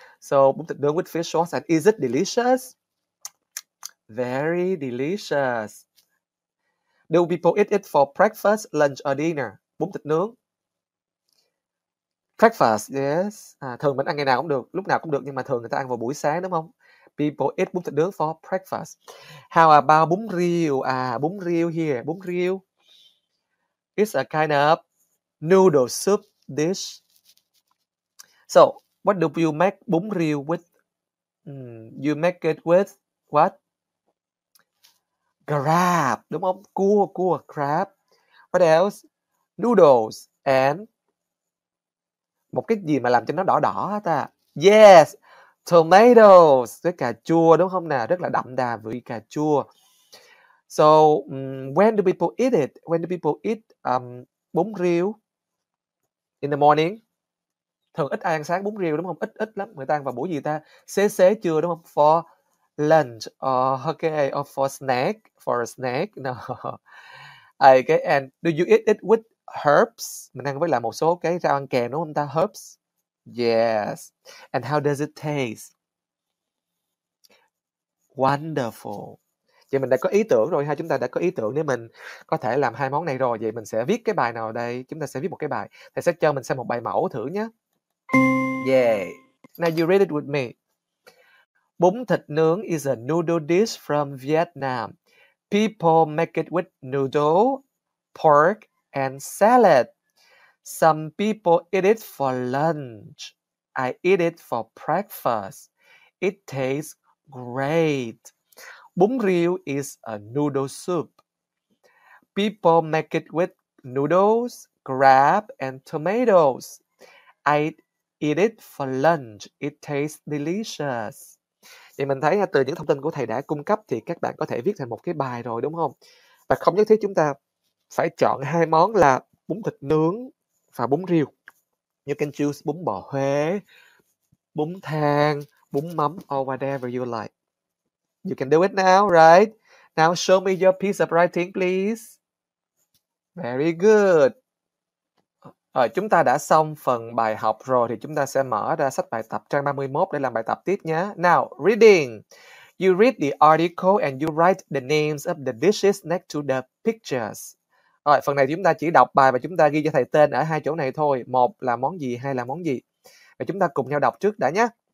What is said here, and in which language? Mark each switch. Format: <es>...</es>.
<en>So, bún thịt nướng with fish sauce. And is it delicious? Very delicious. Do people eat it for breakfast, lunch or dinner?</en> <vi>Bún thịt nướng.</vi> <en>Breakfast, yes.</en> <vi>Thường mình ăn ngày nào cũng được, lúc nào cũng được, nhưng mà thường người ta ăn vào buổi sáng đúng không?</vi> <en>People eat bún thịt nướng for breakfast. How about bún riêu? Bún riêu here. Bún riêu. It's a kind of noodle soup dish. So, what do you make bún riêu with? You make it with what? Crab,</en> <vi>đúng không? Cua,</vi> <en>crab. What else? Noodles and</en> <vi>một cái gì mà làm cho nó đỏ đỏ hả ta?</vi> <en>Yes, tomatoes,</en> <vi>với cà chua đúng không nào? Rất là đậm đà vị cà chua.</vi> <en>So, when do people eat it? When do people eat bún riêu? In the morning.</en> <vi>Thường ít ai ăn sáng bún riêu đúng không? Ít lắm. Người ta ăn vào buổi gì ta? Xế chưa đúng không?</vi> <en>For lunch. Okay, or for a snack. No. Okay, and do you eat it with herbs?</en> <vi>Mình ăn với lại một số cái rau ăn kèm đúng không ta?</vi> <en>Herbs. Yes. And how does it taste? Wonderful.</en> <vi>Vậy mình đã có ý tưởng rồi ha. Chúng ta đã có ý tưởng để mình có thể làm hai món này rồi. Vậy mình sẽ viết cái bài nào đây? Chúng ta sẽ viết một cái bài. Thầy sẽ cho mình xem một bài mẫu thử nhé.</vi> <en>Yay. Now you read it with me. Bún thịt nướng is a noodle dish from Vietnam. People make it with noodle, pork, and salad. Some people eat it for lunch. I eat it for breakfast. It tastes great. Bún riêu is a noodle soup. People make it with noodles, crab, and tomatoes. I eat it for lunch. It tastes delicious.</en> <vi>Thì mình thấy từ những thông tin của thầy đã cung cấp thì các bạn có thể viết thành một cái bài rồi đúng không? Và không nhất thiết chúng ta phải chọn hai món là bún thịt nướng và bún riêu.</vi> <en>You can choose bún bò Huế, bún thang, bún mắm, or whatever you like. You can do it now, right? Now show me your piece of writing, please. Very good.</en> <vi>Chúng ta đã xong phần bài học rồi thì chúng ta sẽ mở ra sách bài tập trang 31 để làm bài tập tiếp nhé.</vi> <en>Now, reading. You read the article and you write the names of the dishes next to the pictures.</en> <vi>Rồi, phần này chúng ta chỉ đọc bài và chúng ta ghi cho thầy tên ở hai chỗ này thôi. Một là món gì, hai là món gì. Và chúng ta cùng nhau đọc trước đã nhé.</vi>